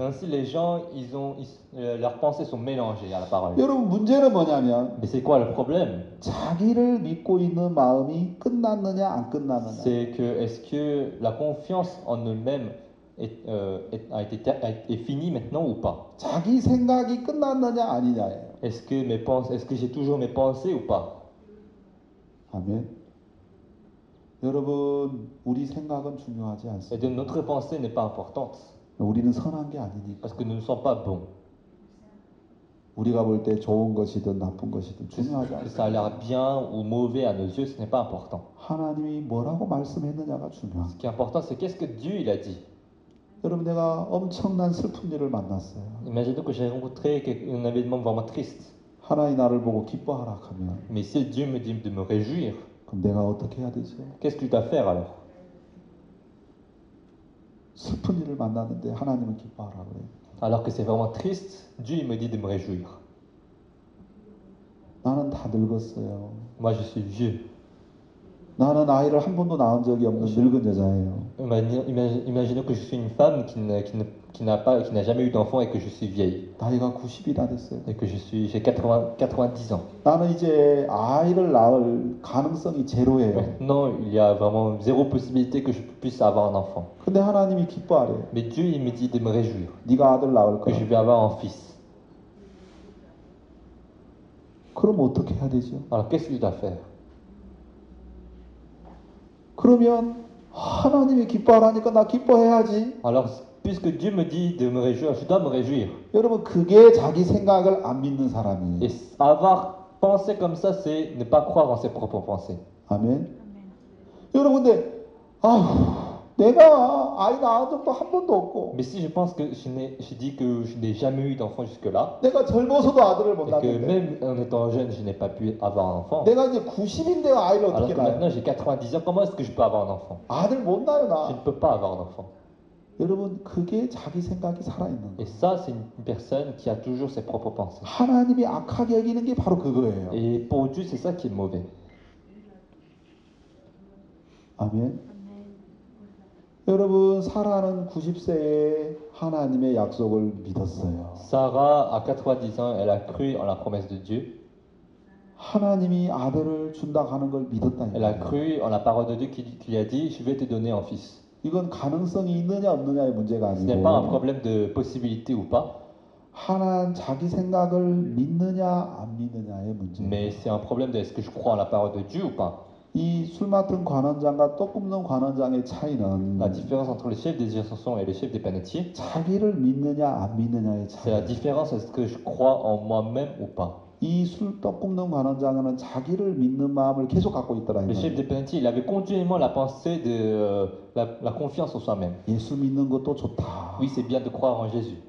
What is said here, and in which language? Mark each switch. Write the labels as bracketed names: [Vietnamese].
[French] Ainsi les gens ils ont leurs pensées sont mélangées à la parole. [Korean] 여러분 문제는 뭐냐면 [French] Mais c'est quoi le problème? [Korean] 자기를 믿고 있는 마음이 끝났느냐 안 끝났느냐. [French] C'est que est-ce que la confiance en eux-mêmes est finie maintenant ou pas? [Korean] 자기 생각이 끝났느냐 아니냐예요. [French] Est-ce que mes pensées est-ce que j'ai toujours mes pensées ou pas? [Korean] 아멘. 여러분, 우리 생각은 중요하지 않습니다. [French] Et de notre pensée n'est pas importante. [Korean] 우리는 선한 게 아니니까. [French] Parce que nous ne sommes pas bons. [Korean] 우리가 볼 때 좋은 것이든 나쁜 것이든 중요하지 않습니다. [French] Ça a l'air bien ou mauvais à nos yeux, ce n'est pas important. [Korean] 하나님이 뭐라고 말씀했느냐가 중요합니다. [French] Ce qui est important, c'est qu'est-ce que Dieu il a dit. [Korean] 여러분, 내가 엄청난 슬픈 일을 만났어요. [French] Imagine que j'ai rencontré un événement vraiment triste. [Korean] 하나님이 나를 보고 기뻐하라 하면. [French] Mais si Dieu me dit de me réjouir. [Korean] 그럼 내가 어떻게 해야 되죠? [French] Qu'est-ce que tu dois faire alors? [Korean] 슬픈 일을 만났는데 하나님은 기뻐하라 그래. [French] Alors que c'est vraiment triste, Dieu me dit de me réjouir. [Korean] 나는 다 늙었어요. [French] Moi je suis vieux. [Korean] 나는 아이를 한 번도 낳은 적이 없는 늙은 여자예요. [French] Imagine que je suis une femme qui n'a jamais eu d'enfant et que je suis vieille. [Korean] 나이가 90이 다 됐어요. [French] Et que j'ai 90 ans. [Korean] 나는 이제 아이를 낳을 가능성이 제로예요. [French] Non, il y a vraiment zéro possibilité que je puisse avoir un enfant. [Korean] 근데 하나님이 기뻐하래. [French] Mais Dieu il me dit de me réjouir. [Korean] 네가 아들 낳을 거야. [French] Que je vais avoir un fils. [Korean] 그럼 어떻게 해야 되죠? [French] Alors qu'est-ce que je dois faire? [Korean] 그러면 하나님이 기뻐하라니까 나 기뻐해야지. [French] Alors, puisque Dieu me dit de me réjouir, je dois me réjouir. [Korean] 여러분 그게 자기 생각을 안 믿는 사람이에요. [French] Et avoir pensé comme ça, c'est ne pas croire en ses propres pensées. [Korean] 아멘. 여러분들, 아, 내가 아이 낳은 적도 한 번도 없고. [French] Mais si je pense que je dis que je n'ai jamais eu d'enfant jusque-là. [Korean] 내가 젊어서도 아들을 못 낳았는데. [French] Que même en étant jeune, je n'ai pas pu avoir un enfant. [Korean] 내가 이제 90인데 아이를 어떻게 낳아? [French] Maintenant j'ai 90 ans. Comment est-ce que je peux avoir un enfant? [Korean] 아들 못 낳아요 나. [French] Je ne peux pas avoir un enfant. [Korean] 여러분 그게 자기 생각이 살아있는 거예요. [French] Et ça c'est une personne qui a toujours ses propres pensées. [Korean] 하나님이 악하게 여기는 게 바로 그거예요. [French] Et pour Dieu c'est ça qui est mauvais. [Korean] 아멘. 여러분 사라는 90세에 하나님의 약속을 믿었어요. [French] Sarah à 90 ans, elle a cru en la promesse de Dieu. [Korean] 하나님이 아들을 준다 하는 걸 믿었다. [French] Elle a cru en la parole de Dieu qui lui a dit, je vais te donner un fils. [Korean] 이건 가능성이 있느냐 없느냐의 문제가 아니고. [French] Ce n'est pas un problème de possibilité ou pas. [Korean] 하나님 자기 생각을 믿느냐 안 믿느냐의 문제. [French] Mais c'est un problème de est-ce que je crois en la parole de Dieu ou pas. [Korean] 이 술 맡은 관원장과 떡 굽는 관원장의 차이는 [French] La différence entre le chef des chansons et le chef des panettiers [Korean] 자기를 믿느냐 안 믿느냐의 차이 [French] C'est la différence est-ce que je crois en moi-même ou pas [Korean] 이 술 떡 굽는 관원장은 자기를 믿는 마음을 계속 갖고 있더라 [French] Le chef des panettiers il avait continuellement la pensée de la confiance en soi-même [Korean] 예수 믿는 것도 좋다 [French] Oui c'est bien de croire en Jésus